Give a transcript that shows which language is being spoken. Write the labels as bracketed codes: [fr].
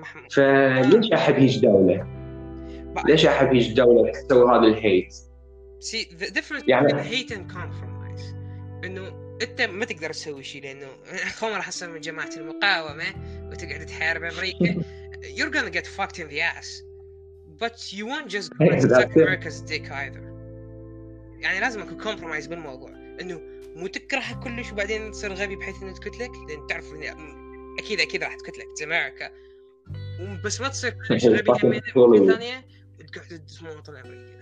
[ar] فليش احب هيج دوله؟ ليش احب هيج دوله تسوي هذا الهيت؟ [en] see the difference [ar] يعني [en] hit and compromise [ar] انه انت ما تقدر تسوي شيء لانه اخوان راح تصير من جماعه المقاومه وتقعد تحارب امريكا. [en] You're gonna get fucked in the ass, but you won't just go and suck America's dick either. [ar] يعني لازم أكون compromise بالموضوع. إنه مو تكره كلش وبعدين تصير غبي بحيث إنه تقتلك. لأن تعرف إني أكيد أكيد راح تقتلك في أمريكا. بس ما تصير كلش غبي ثانية وتقعد تسمون طلع أمريكا.